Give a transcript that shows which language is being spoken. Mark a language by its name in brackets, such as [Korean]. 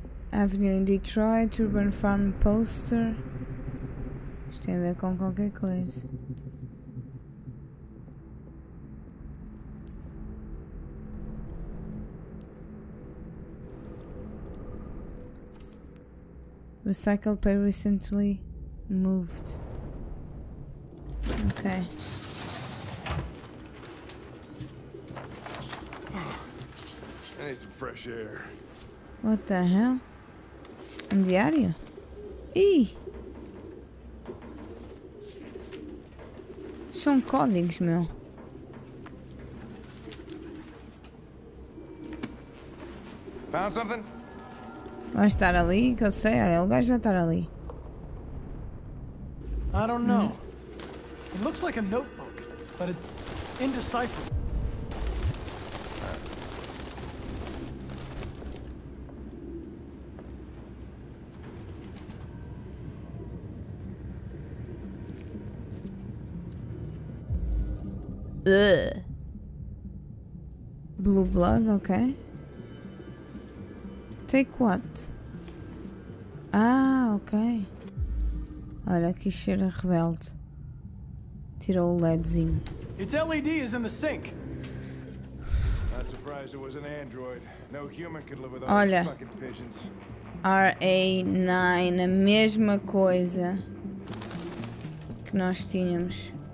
[English] Avenue in Detroit, Urban Farm Poster. [Portuguese] Isto tem a ver com qualquer coisa. [English] Recycled paper recently moved. Okay. I need some fresh air. What the hell? In the area? Ih! [Portuguese] São códigos, meu. [English] Found something? [Portuguese] Vai estar ali, que eu sei, olha, o gajo vai estar ali. [English] I don't know. It looks like a notebook, but it's indecipherable. Blue blood, okay. Take what? Ah, ok. [Portuguese] Olha, aqui cheira rebelde. Tirou o ledzinho. [English] Its LED is in the sink. Not surprised it was an android. No human could live with all these fucking pigeons. [Portuguese] RA9, a mesma coisa que nós tínhamos.